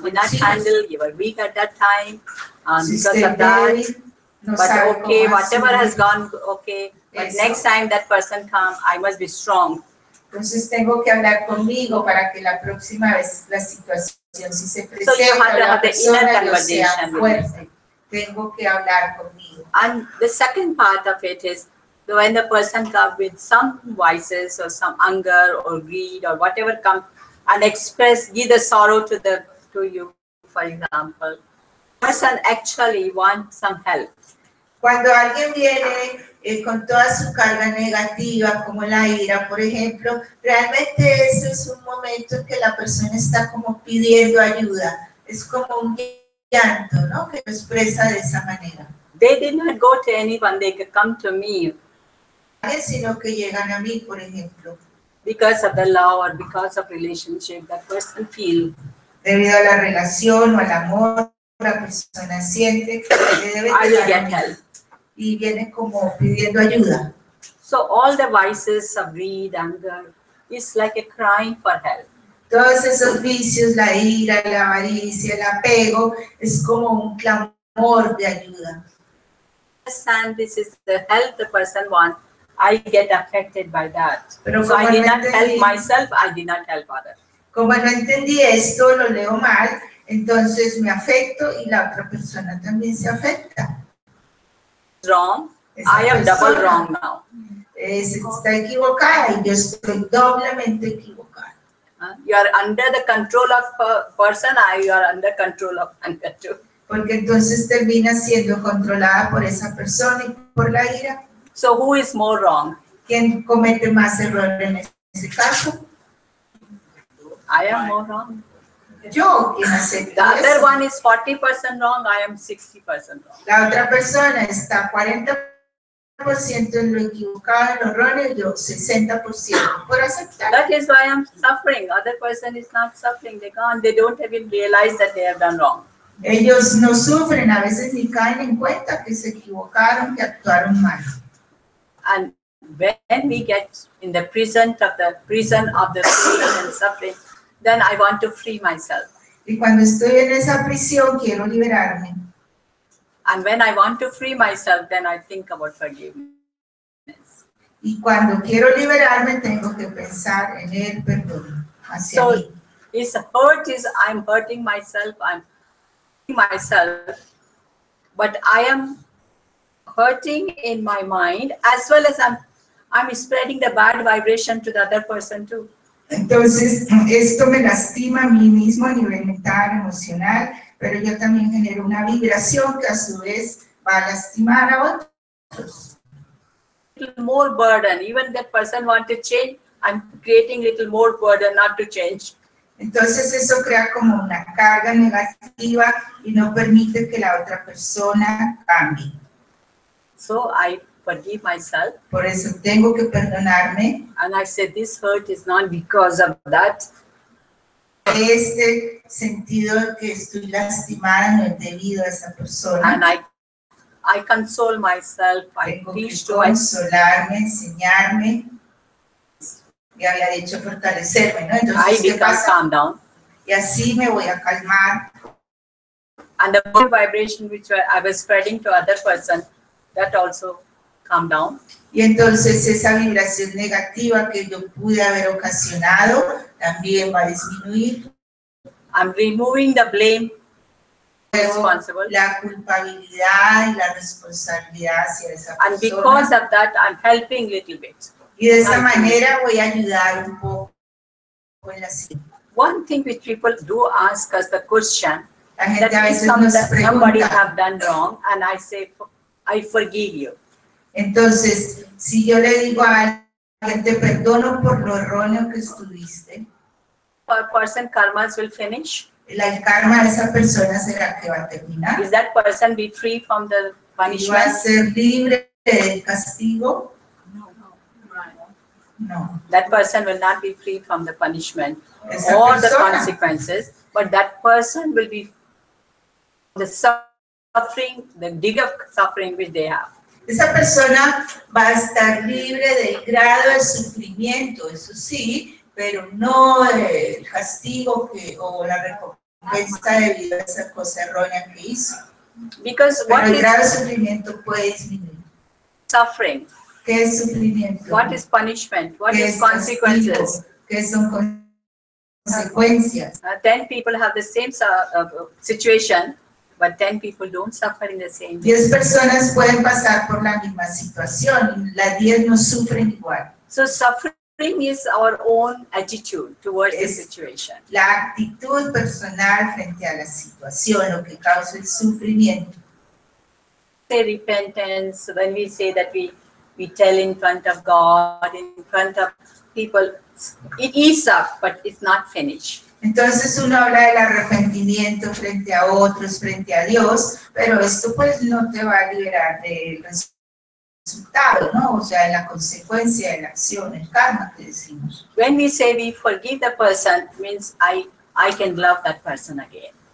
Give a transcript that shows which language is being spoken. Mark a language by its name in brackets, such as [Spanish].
[English] you did not handle, you were weak at that time, because of that. No, but okay, whatever has gone, okay. But eso. Next time that person comes, I must be strong. [Spanish] Entonces tengo que hablar conmigo para que la próxima vez la situación, si se presenta, [English] so you have to [Spanish] la [English] have [Spanish] persona [English] the inner [Spanish] yo sea fuerte. Tengo que hablar conmigo. [English] And the second part of it is, when the person comes with some vices or some anger or greed or whatever comes and express, give the sorrow to you, for example. The person actually wants some help. [Spanish] Cuando alguien viene con toda su carga negativa, como la ira, por ejemplo, realmente ese es un momento en que la persona está como pidiendo ayuda. Es como un llanto, ¿no? Que lo expresa de esa manera. [English] They did not go to anyone, they could come to me. [Spanish] Sino que llegan a mí, por ejemplo. [English] Because of the love or because of relationship, that person feels. [Spanish] Debido a la relación o al amor, la persona siente que debe tener. Y viene como pidiendo ayuda. [English] So all the vices of greed, anger, is like a crying for help. [Spanish] Todos esos vicios, la ira, la avaricia, el apego, es como un clamor de ayuda. [English] Understand this is the help the person wants. I get affected by that. [Spanish] Pero [English] so I did not [Spanish] entendí, [English] help myself, I did not help others. [Spanish] Como no entendí esto, lo leo mal, entonces me afecto y la otra persona también se afecta. [English] Wrong. Esa I am double wrong now. [Spanish] Está equivocada y yo estoy doblemente equivocada. [English] You are under the control of person, you are under control of anger too. [Spanish] Porque entonces termina siendo controlada por esa persona y por la ira. [English] So who is more wrong? [Spanish] ¿Quién comete más error en ese caso? [English] I am more wrong. [Spanish] Yo, ¿quién hace eso? [English] The other one is 40% wrong, I am 60% wrong. [Spanish] La otra persona está 40% 60% en lo equivocado, en lo erróneo, yo 60% por aceptar. [English] That is why I'm suffering. Other person is not suffering. They can't, they don't even realize that they have done wrong. [Spanish] Ellos no sufren, a veces ni caen en cuenta que se equivocaron, que actuaron mal. [English] And when we get in the prison of the prison of the pain and suffering, then I want to free myself. [Spanish] Y cuando estoy en esa prisión, quiero liberarme. [English] And when I want to free myself, then I think about forgiveness. [Spanish] Y cuando quiero liberarme, tengo que pensar en el perdón hacia mí. [English] So, it's hurt is I'm hurting myself, I'm hurting myself, but I am hurting in my mind, as well as I'm spreading the bad vibration to the other person too. [Spanish] Entonces, esto me lastima a mí mismo a nivel mental, emocional, pero yo también genero una vibración que a su vez va a lastimar a otros. [English] Little more burden, even that person want to change, I'm creating little more burden not to change. [Spanish] Entonces eso crea como una carga negativa y no permite que la otra persona cambie. [English] So I forgive myself. [Spanish] Por eso tengo que perdonarme. [English] And I said this hurt is not because of that. [Spanish] Este sentido que estoy lastimada no es debido a esa persona. [English] And I console myself. [Spanish] Tengo que consolarme, enseñarme. Y había dicho fortalecerme, ¿no? Entonces, [English] I become calm down. [Spanish] Y así me voy a calmar. [English] And the more vibration which I was spreading to other person, that also calm down. [Spanish] Y entonces esa vibración negativa que yo pude haber ocasionado también va a disminuir. [English] I'm removing the blame. Responsible. [Spanish] La culpabilidad y la responsabilidad hacia esa persona. [English] And because of that, I'm helping a little bit. [Spanish] Y de esa manera voy a ayudar un poco con la situación. [English] One thing which people do ask us the question, [Spanish] la gente that a veces nos pregunta, [English] somebody have done wrong, and I say, I forgive you. [Spanish] Entonces, si yo le digo a alguien, te perdono por lo erróneo que estuviste, [English] our person karmas will finish. [Spanish] El karma de esa persona será que va a terminar. [English] Is that person be free from the punishment? [Spanish] ¿Va a ser libre del castigo? [English] No. That person will not be free from the punishment or the consequences, but that person will be the suffering, the dig of suffering which they have. [Spanish] Esa persona va a estar libre del grado de sufrimiento, eso sí, pero no el castigo que, o la recompensa debido a esa cosa errónea que hizo. [English] Because [Spanish] pero [English] what [Spanish] el [English] is [Spanish] grado de sufrimiento puede disminuir. [English] Suffering. [Spanish] ¿Qué es sufrimiento? [English] What is punishment? What [Spanish] ¿Qué [English] is consequences? [Spanish] ¿Qué son consecuencias? [English] 10 people have the same situation, but 10 people don't suffer in the same [Spanish] 10 personas pueden pasar por la misma situación, las 10 no sufren igual. [English] So suffering is our own attitude towards the situation. [Spanish] La actitud personal frente a la situación, lo que causa el sufrimiento. [English] Say repentance, when we say that we tell in front of God, in front of people, it eases up, but it's not finished. [Spanish] Entonces uno habla del arrepentimiento frente a otros, frente a Dios, pero esto pues no te va a liberar del resultado, ¿no? O sea, la consecuencia de la acción, el karma que decimos. [English] When we say we forgive the person, means I can love that person again.